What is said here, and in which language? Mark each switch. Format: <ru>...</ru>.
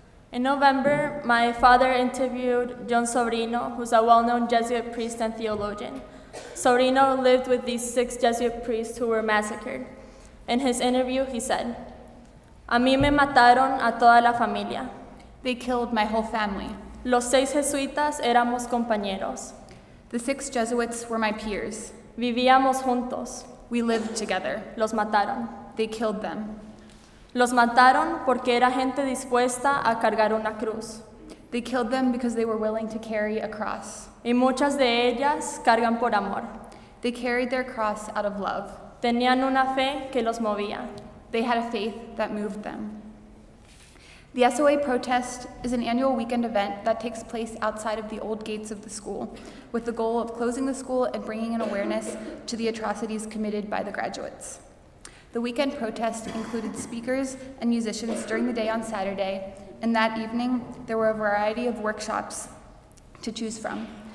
<en>In November, my father interviewed John Sobrino, who's a well-known Jesuit priest and theologian. Sobrino lived with these 6 Jesuit priests who were massacred. In his interview, he said,</en> <es>"A mí me mataron a toda la familia."</es> <en>They killed my whole family.</en> <es>"Los 6 jesuitas éramos compañeros."</es> <en>The 6 Jesuits were my peers.</en> <es>"Vivíamos juntos."</es> <en>We lived together.</en> <es>"Los mataron."</es> <en>They killed them.</en> <es>"Los mataron porque era gente dispuesta a cargar una cruz."</es> <en>They killed them because they were willing to carry a cross.</en> <es>"Y muchas de ellas cargan por amor."</es> <en>They carried their cross out of love.</en> <es>"Tenían una fe que los movía."</es> <en>They had a faith that moved them. The SOA protest is an annual weekend event that takes place outside of the old gates of the school, with the goal of closing the school and bringing an awareness to the atrocities committed by the graduates. The weekend protest included speakers and musicians during the day on Saturday, and that evening there were a variety of workshops to choose from.</en>